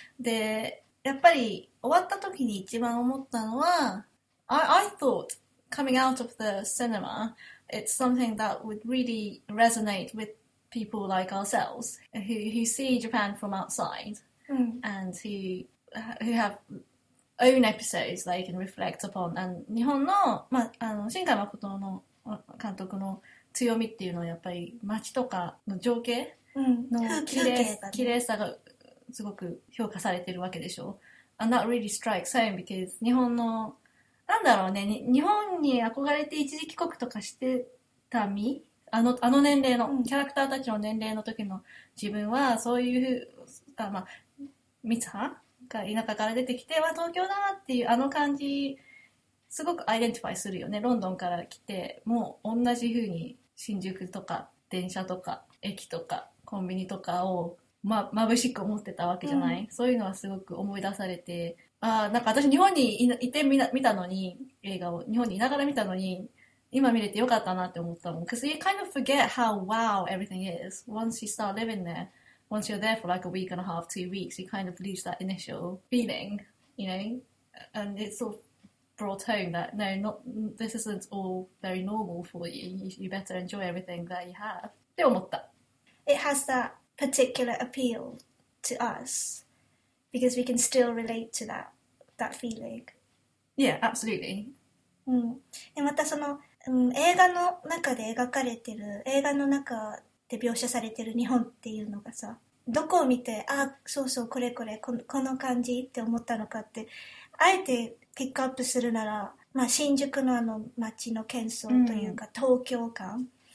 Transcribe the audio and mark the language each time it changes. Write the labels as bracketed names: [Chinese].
[Japanese] で、やっぱり終わった時に一番思ったのは、 [English] I thought,coming out of the cinema, it's something that would really resonate with people like ourselves who see Japan from outside、 mm. and who have own episodes they can reflect upon. [Japanese] And 日本の、まあ、新海誠の監督の強みっていうのはやっぱり街とかの情景の綺麗さがすごく評価されてるわけでしょ。 [English] And that really strikes home because [Japanese] 日本のなんだろうね、日本に憧れて一時帰国とかしてた身、あの年齢の、うん、キャラクターたちの年齢の時の自分はそういう、あ、まあ、三葉が田舎から出てきて、まあ、東京だっていうあの感じすごくアイデンティファイするよね。ロンドンから来てもう同じ風に新宿とか電車とか駅とかコンビニとかを、ま、眩しく思ってたわけじゃない、うん、そういうのはすごく思い出されて、ああ、なんか私日本にいて見たのに、映画を日本にいながら見たのに、今見れてよかったなって思ったもん。 [English] Cause you kind of forget how wow everything is once you start living there. Once you're there for like a week and a half, 2 weeks, you kind of lose that initial feeling, you know? And it's sort of brought home that, no, not, this isn't all very normal for you. You better enjoy everything that you have. [Japanese] って思った。 [English] It has that particular appeal to us. Because we can still relate to that feeling. Yeah, absolutely.、 [Japanese] うん、でまたその、うん、映画の中で描かれてる、映画の中で描写されてる日本っていうのがさ、どこを見て、あ、そうそう、これこれ、この感じって思ったのかって、あえてピックアップするなら、まあ、新宿のあの街の喧騒というか、うん、東京感、